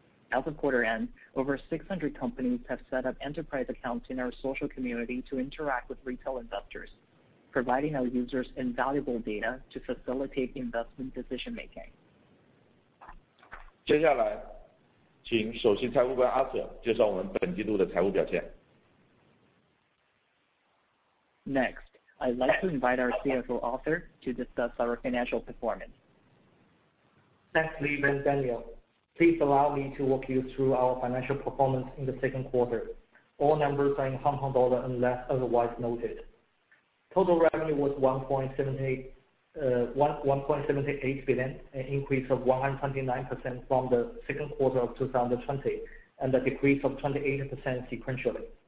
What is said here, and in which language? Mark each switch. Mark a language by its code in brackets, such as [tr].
[en] As of quarter end, over 600 companies have set up enterprise accounts in our social community to interact with retail investors, providing our users invaluable data to facilitate investment decision making. [zh] 接下来, 请首席财务官阿瑟介绍我们本季度的财务表现。 [en] Next, I'd like to invite our CFO Arthur to discuss our financial performance. Thanks, Lee and Daniel. Please allow me to walk you through our financial performance in the second quarter. All numbers are in Hong Kong dollar unless otherwise noted. Total revenue was 1.78 billion, an increase of 129% from the second quarter of 2020, and a decrease of 28% sequentially.